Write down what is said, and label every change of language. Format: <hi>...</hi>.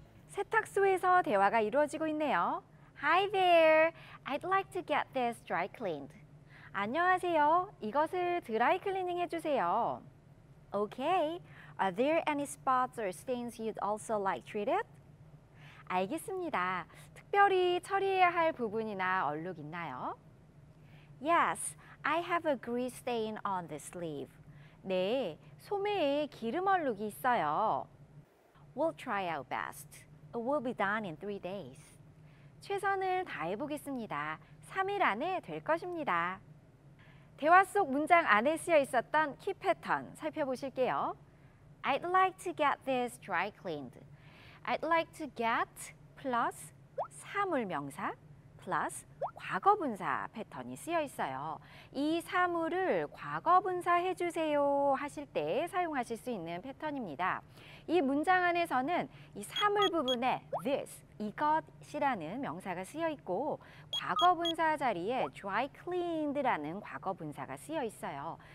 <ko>세탁소에서 대화가 이루어지고 있네요.</ko> <en>Hi there. I'd like to get this dry cleaned.</en> <ko>안녕하세요. 이것을 드라이 클리닝 해주세요.</ko> <en>Okay, are there any spots or stains you'd also like treated?</en> <ko>알겠습니다. 특별히 처리해야 할 부분이나 얼룩 있나요?</ko> <en>Yes, I have a grease stain on the sleeve.</en> <ko>네, 소매에 기름 얼룩이 있어요.</ko> <en>We'll try our best. It will be done in 3 days.</en> <ko>최선을 다해보겠습니다. 3일 안에 될 것입니다. 대화 속 문장 안에 쓰여 있었던 키 패턴 살펴보실게요.</ko> <en>I'd like to get this dry cleaned. I'd like to get plus</en> <ko>사물 명사</ko> <en>plus</en> <ko>과거분사 패턴이 쓰여 있어요. 이 사물을 과거분사 해주세요 하실 때 사용하실 수 있는 패턴입니다. 이 문장 안에서는 이 사물 부분에 this, 이것이라는 명사가 쓰여 있고 과거분사 자리에 dry cleaned라는 과거분사가 쓰여 있어요.</ko>